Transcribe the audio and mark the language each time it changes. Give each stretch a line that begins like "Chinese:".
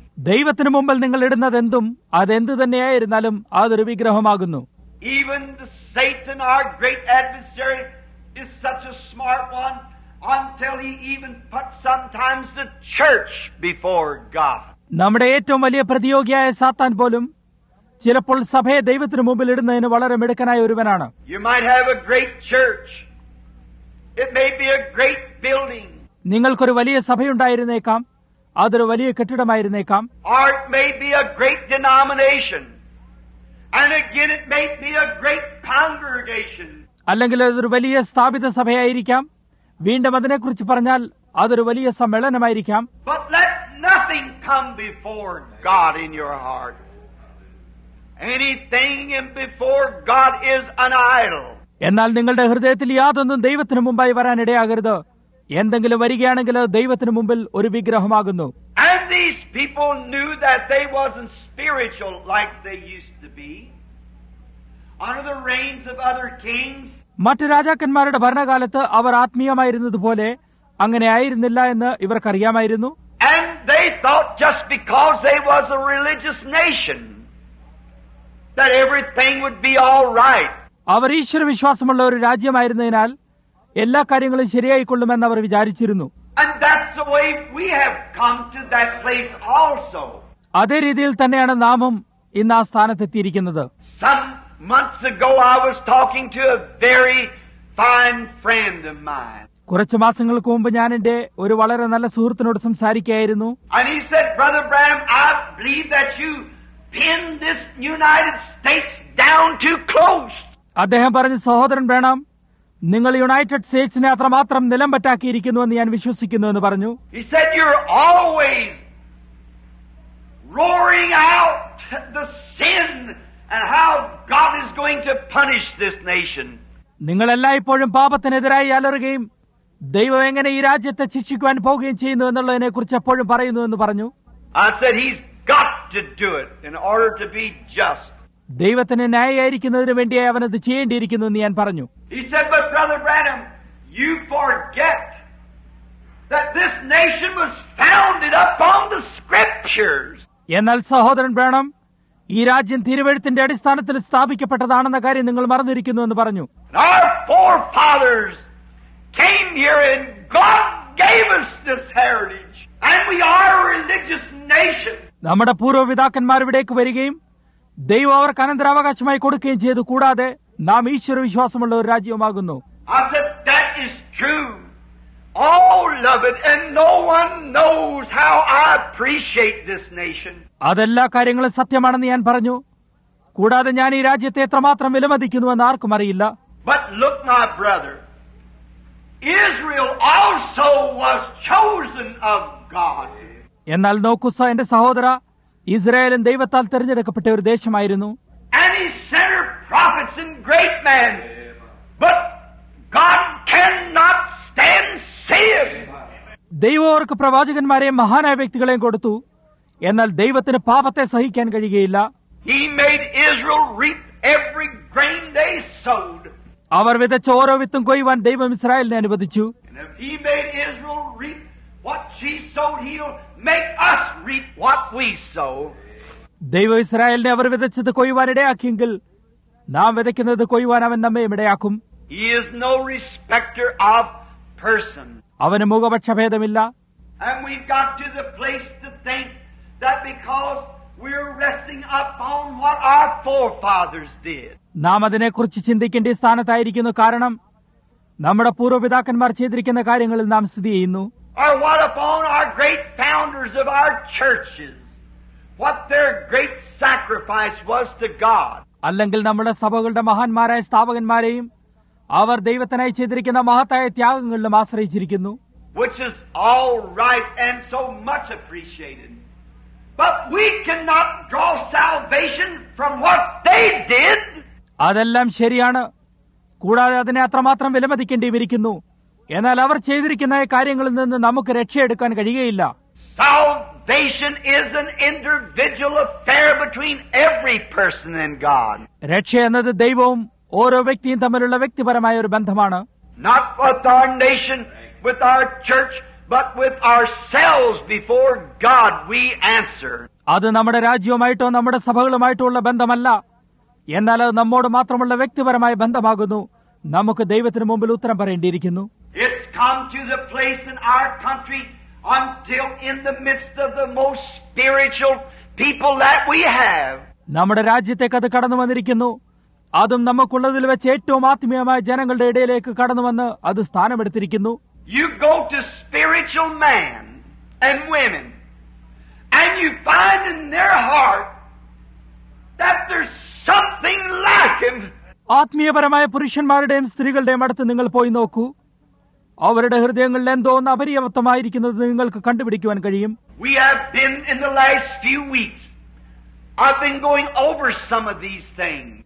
Malayalam: ദൈവത്തിന് മുമ്പിൽ നിങ്ങൾ ഇടുന്നത് എന്തും അതെന്ത് തന്നെയായിരുന്നാലും അതൊരു വിഗ്രഹമാകുന്നു.
English: Even the Satan, our great adversary, is such a smart one until he even put sometimes the church before God.
Malayalam: നമ്മുടെ ഏറ്റവും വലിയ പ്രതിയോഗിയായ സാത്താൻ പോലും ചിലപ്പോൾ സഭയെ ദൈവത്തിന് മുമ്പിൽ ഇടുന്നതിന് വളരെ മിടുക്കനായ ഒരുവനാണ്.
English: You might have a great church. It may be a great building.
Malayalam: നിങ്ങൾക്കൊരു വലിയ സഭയുണ്ടായിരുന്നേക്കാം, അതൊരു വലിയ കെട്ടിടമായിരുന്നേക്കാം.
English: Or it may be a great denomination. And again, it may be a great congregation.
Malayalam: അല്ലെങ്കിൽ അതൊരു വലിയ സ്ഥാപിത സഭയായിരിക്കാം. വീണ്ടും അതിനെക്കുറിച്ച് പറഞ്ഞാൽ അതൊരു വലിയ സമ്മേളനമായിരിക്കാം.
English: But let nothing come before God in your heart. Anything before God is an idol.
Malayalam: എന്നാൽ നിങ്ങളുടെ ഹൃദയത്തിൽ യാതൊന്നും ദൈവത്തിന് മുമ്പായി വരാനിടയാകരുത്. എന്തെങ്കിലും വരികയാണെങ്കിൽ അത് ദൈവത്തിന് മുമ്പിൽ ഒരു വിഗ്രഹമാകുന്നു.
English: And these people knew that they wasn't spiritual like they used to be under the reigns of other kings.
Malayalam: മറ്റു രാജാക്കന്മാരുടെ ഭരണകാലത്ത് അവർ ആത്മീയമായിരുന്നതുപോലെ അങ്ങനെ ആയിരുന്നില്ല എന്ന് ഇവർക്കറിയാമായിരുന്നു.
English: And they thought just because they was a religious nation that everything would be all right.
Malayalam: അവർ ഈശ്വര വിശ്വാസമുള്ള ഒരു രാജ്യമായിരുന്നതിനാൽ എല്ലാ കാര്യങ്ങളും ശരിയായിക്കൊള്ളുമെന്ന് അവർ വിചാരിച്ചിരുന്നു.
English: And that's the way we have come to that place also.
Malayalam: അതേ രീതിയിൽ തന്നെയാണ് നാമും ഇന്ന് ആ സ്ഥാനത്തെത്തിയിരിക്കുന്നത്.
English: Some months ago I was talking to a very fine friend of mine.
Malayalam: കുറച്ച് മാസങ്ങൾക്ക് മുമ്പ് ഞാൻ എന്റെ ഒരു വളരെ നല്ല സുഹൃത്തിനോട് സംസാരിക്കുകയായിരുന്നു.
English: And he said, Brother Branham, I believe that you pin this United States down too close.
Malayalam: അദ്ദേഹം പറഞ്ഞു, സഹോദരൻ ബ്രാനം, നിങ്ങൾ യുണൈറ്റഡ് സ്റ്റേറ്റ്സിനെ അത്രമാത്രം നിലം പറ്റാക്കിയിരിക്കുന്നു എന്ന് ഞാൻ വിശ്വസിക്കുന്നു എന്ന് പറഞ്ഞു.
English: He said, you're always roaring out the sin and how God is going to punish this nation.
Malayalam: നിങ്ങൾ എല്ലായ്പ്പോഴും പാപത്തിനെതിരായി അലറുകയും ദൈവം എങ്ങനെ ഈ രാജ്യത്തെ ശിക്ഷിക്കുവാൻ പോവുകയും ചെയ്യുന്നു എന്നുള്ളതിനെ കുറിച്ച് എപ്പോഴും പറയുന്നു എന്ന് പറഞ്ഞു.
English: I said, he's got to do it in order to be just.
Malayalam: ദൈവത്തിന് ന്യായീകരിക്കുന്നതിന് വേണ്ടിയായി അവനത് ചെയ്യേണ്ടിയിരിക്കുന്നു എന്ന് ഞാൻ പറഞ്ഞു.
English: He said, but Brother Branham, you forget that this nation was founded upon the scriptures.
Malayalam: എന്നാൽ സഹോദരൻ ബ്രാനം, ഈ രാജ്യം തിരുവെഴുത്തിന്റെ അടിസ്ഥാനത്തിൽ സ്ഥാപിക്കപ്പെട്ടതാണെന്ന കാര്യം നിങ്ങൾ മറന്നിരിക്കുന്നു എന്ന് പറഞ്ഞു.
English: Our forefathers came here and God gave us this heritage and we are a religious nation.
Malayalam: നമ്മുടെ പൂർവ്വപിതാക്കന്മാർ ഇവിടേക്ക് വരികയും ദൈവം അവർക്ക് അനന്തരാവകാശമായി കൊടുക്കുകയും ചെയ്തു. കൂടാതെ നാം ഈശ്വര വിശ്വാസമുള്ള ഒരു രാജ്യമാകുന്നു.
English: I said, that is true. Oh, love it. And no one knows how I appreciate this nation.
Malayalam: അതെല്ലാ കാര്യങ്ങളും സത്യമാണെന്ന് ഞാൻ പറഞ്ഞു. കൂടാതെ ഞാൻ ഈ രാജ്യത്തെ എത്രമാത്രം വിലമതിക്കുന്നുവെന്ന് ആർക്കും അറിയില്ല.
English: But look, my brother, Israel also was chosen of God.
Malayalam: എന്നാൽ നോക്കൂ എന്റെ സഹോദര, ഇസ്രായേലും ദൈവത്താൽ തിരഞ്ഞെടുക്കപ്പെട്ട ഒരു ദേശമായിരുന്നു.
English: And he sent her prophets and great men. But God cannot stand sin.
Malayalam: ദൈവം അവർക്ക് പ്രവാചകന്മാരെയും മഹാനായ വ്യക്തികളെയും കൊടുത്തു. എന്നാൽ ദൈവത്തിന് പാപത്തെ സഹിക്കാൻ കഴിയുകയില്ല.
English: He made Israel reap every grain they sowed.
Malayalam: അവർ വിതച്ച ഓരോ വിത്തും കൊയ്യുവാൻ ദൈവം ഇസ്രായേലിനെ അനുവദിച്ചു.
English: He made Israel reap what she sowed, he'll make us reap what we sow.
Malayalam: ദൈവം ഇസ്രായേലിനെ അവർ വിതച്ചത് കൊയ്യുവാൻ ഇടയാക്കിയെങ്കിൽ നാം വിതയ്ക്കുന്നത് കൊയ്യുവാൻ അവൻ നമ്മെയും ഇടയാക്കും.
English: He is no respecter of person.
Malayalam: അവന് മുഖപക്ഷ ഭേദമില്ല.
English: And we got to the place to think that because we are resting upon what our forefathers did.
Malayalam: നാം അതിനെക്കുറിച്ച് ചിന്തിക്കേണ്ട സ്ഥാനത്തായിരിക്കുന്നു. കാരണം നമ്മുടെ പൂർവ്വപിതാക്കന്മാർ ചെയ്തിരിക്കുന്ന കാര്യങ്ങളിൽ നാം സ്ഥിതി ചെയ്യുന്നു.
English: Or what upon our great founders of our churches, what their great sacrifice was to God.
Malayalam: അല്ലെങ്കിൽ നമ്മുടെ സഭകളുടെ മഹാന്മാരായ സ്ഥാപകന്മാരെയും അവർ ദൈവത്തിനായി ചെയ്തിരിക്കുന്ന മഹത്തായ ത്യാഗങ്ങളിലും ആശ്രയിച്ചിരിക്കുന്നു.
English: Which is all right and so much appreciated. But we cannot draw salvation from what they did.
Malayalam: അതെല്ലാം ശരിയാണ്. കൂടാതെ അതിനെ അത്രമാത്രം വിലമതിക്കേണ്ടിയിരിക്കുന്നു. എന്നാൽ അവർ ചെയ്തിരിക്കുന്ന കാര്യങ്ങളിൽ നിന്ന് നമുക്ക് രക്ഷയെടുക്കാൻ കഴിയുകയില്ല.
English: Salvation is an individual affair between every person and God.
Malayalam: രക്ഷ എന്നത് ദൈവവും ഓരോ വ്യക്തിയും തമ്മിലുള്ള വ്യക്തിപരമായ ഒരു ബന്ധമാണ്.
English: Not with our nation, with our church, but with ourselves before God we answer.
Malayalam: അത് നമ്മുടെ രാജ്യവുമായിട്ടോ നമ്മുടെ സഭകളുമായിട്ടോ ഉള്ള ബന്ധമല്ല. എന്നാൽ അത് നമ്മോട് മാത്രമുള്ള വ്യക്തിപരമായ ബന്ധമാകുന്നു. നമുക്ക് ദൈവത്തിന് മുമ്പിൽ ഉത്തരം പറയേണ്ടിയിരിക്കുന്നു.
English: It's come to the place in our country until in the midst of the most spiritual people that we have.
Malayalam: നമ്മുടെ രാജ്യത്തേക്ക് അത് കടന്നു വന്നിരിക്കുന്നു. അതും നമുക്കുള്ളതിൽ വെച്ച് ഏറ്റവും ആത്മീയമായ ജനങ്ങളുടെ ഇടയിലേക്ക് കടന്നു വന്ന് അത് സ്ഥാനമെടുത്തിരിക്കുന്നു.
English: You go to spiritual men and women and you find in their heart that there's something lacking.
Malayalam: ആത്മീയപരമായ പുരുഷന്മാരുടെയും സ്ത്രീകളുടെയും അടുത്ത് നിങ്ങൾ പോയി നോക്കൂ. അവരുടെ ഹൃദയങ്ങളിൽ എന്തോ ഒന്ന് അപര്യാപ്തമായിരിക്കുന്നത് നിങ്ങൾക്ക് കണ്ടുപിടിക്കുവാൻ കഴിയും.
English: We have been in the last few weeks. I've been going over some of these things.